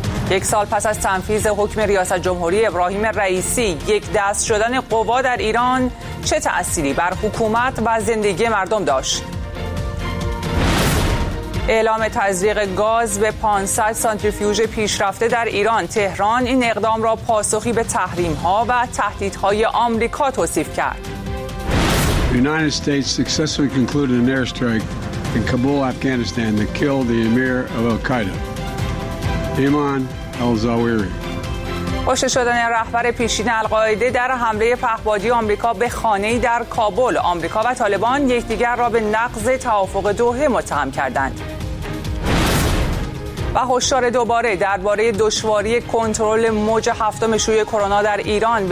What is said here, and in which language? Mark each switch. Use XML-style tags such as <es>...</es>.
<fa>یک سال پس از تنفیذ حکم ریاست جمهوری ابراهیم رئیسی، یک دست شدن قوا در ایران چه تأثیری بر حکومت و زندگی مردم داشت؟ اعلام تزریق گاز به 500 سانتریفیوژ پیشرفته در ایران، تهران این اقدام را پاسخی به تحریم‌ها و تهدیدهای آمریکا توصیف کرد.</fa> <en>United States successfully concluded an airstrike in Kabul, Afghanistan that killed the emir of Al-Qaeda, Ayman al-Zawahiri.</en> <fa>کشته شدن رهبر پیشین القاعده در حمله پهپادی آمریکا به خانه‌ای در کابل. آمریکا و طالبان یکدیگر را به نقض توافق دوحه متهم کردند. و هشدار دوباره درباره دشواری کنترل موج هفتم شیوع کرونا در ایران.</fa>